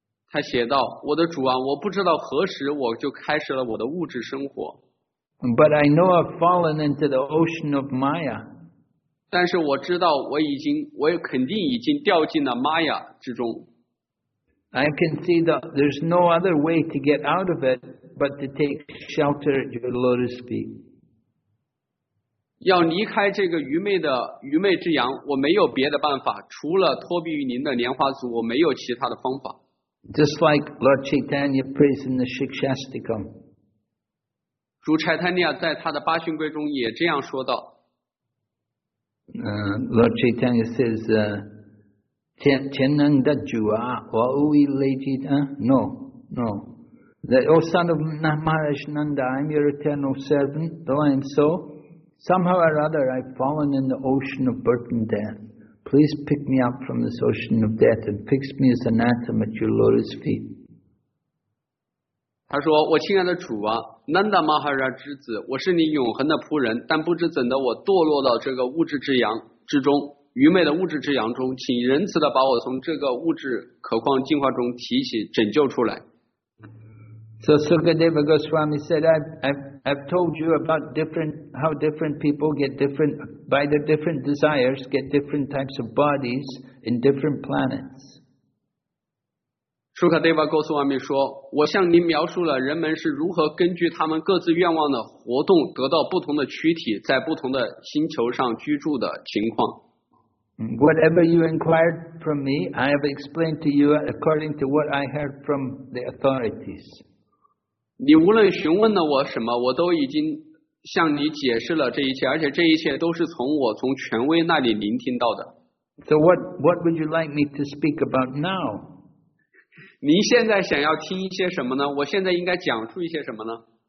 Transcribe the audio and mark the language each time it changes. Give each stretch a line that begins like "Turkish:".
Chinese: 他写道：“我的主啊，我不知道何时我就开始了我的物质生活。
English: But I know I've fallen into the ocean of Maya.
Chinese: 但是我知道我肯定已经掉进了 Maya 之中。
English: I can see that there's no other way to get out of it but to take shelter at your lotus feet.”
Chinese: 要离开这个愚昧之洋，我没有别的办法，除了托庇于您的莲花足，我没有其他的方法。
English: Just like Lord Chaitanya prays in the Shikshastikam.
Chinese: 主 Chaitanya 在他的八训规中也这样说道。
English: Lord Chaitanya says, No. That, O son of Maharaj Nanda, I'm your eternal servant, though I am so. Somehow or other, I've fallen in the ocean of birth and death. Please pick me up from this ocean of death and fix me as an atom at your lotus feet.
Chinese: 他说：“我亲爱的主啊，南达马哈拉之子，我是你永恒的仆人，但不知怎的，我堕落到这个物质之洋之中，愚昧的物质之洋中，请仁慈的把我从这个物质可况净化中提起，拯救出来。”
English: So Sukadeva Goswami said, I've told you about different, how different people get different, by their different desires, get different types of bodies in different planets.
Chinese: Sukadeva Goswami 说, 我向您描述了人们是如何根据他们各自愿望的活动得到不同的躯体, 在不同的星球上居住的情况。
English: Whatever you inquired from me, I have explained to you according to what I heard from the authorities.
Chinese: 你无论询问了我什么, 我都已经向你解释了这一切, 而且这一切都是从我, 从权威那里聆听到的。
English: So what would you like me to speak about now?
Chinese: 您现在想要听一些什么呢?我现在应该讲述一些什么呢?